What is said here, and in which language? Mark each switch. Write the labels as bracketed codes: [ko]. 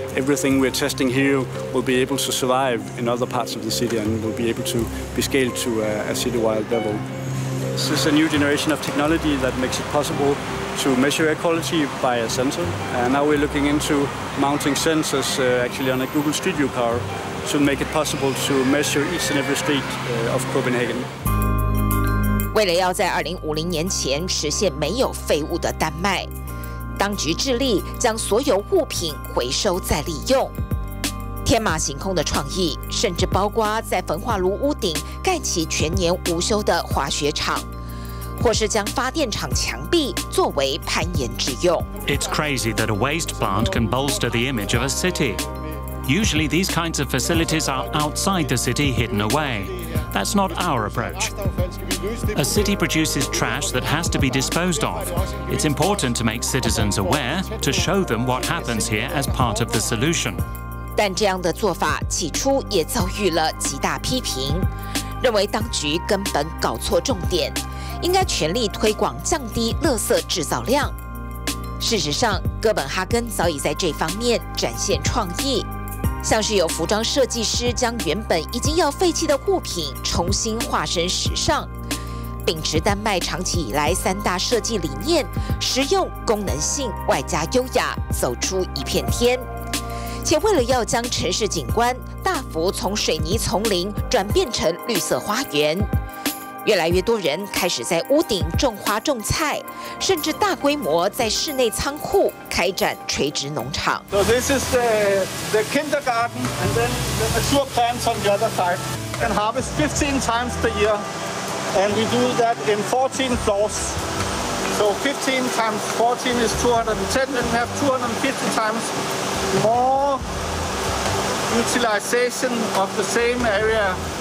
[en] Everything we're testing here will be able to survive in other parts of the city and will be able to be scaled to a city-wide level. This is a new generation of technology that makes it possible to measure air quality by a sensor. And now we're looking into mounting sensors actually on a Google Street View car to make it possible to measure each and every street of Copenhagen. [zh] 为了要在2050年前实现没有废物的丹麦，当局致力将所有物品回收再利用。天马行空的创意，甚至包括在焚化炉屋顶盖起全年无休的滑雪场，或是将发电厂墙壁作为攀岩之用。 [en] It's crazy that a waste plant can bolster the image of a city. Usually these kinds of facilities are outside the city, hidden away. That's not our approach. A city produces trash that has to be disposed of. It's important to make citizens aware, to show them what happens here as part of the solution. [zh] 但这样的做法起初也遭遇了极大批评，认为当局根本搞错重点，应该全力推广降低垃圾制造量。事实上，哥本哈根早已在这方面展现创意，像是有服装设计师将原本已经要废弃的物品重新化身时尚，秉持丹麦长期以来三大设计理念，实用、功能性外加优雅，走出一片天。且为了要将城市景观大幅从水泥丛林转变成绿色花园，越来越多人开始在屋顶种花种菜，甚至大规模在室内仓库开展垂直农场。 [en] So this is the kindergarten, and then the mature plants on the other side, and harvest 15 times per year, and we do that in 14 floors. So 15 times 14 is 210, and we have 250 times more utilization of the same area.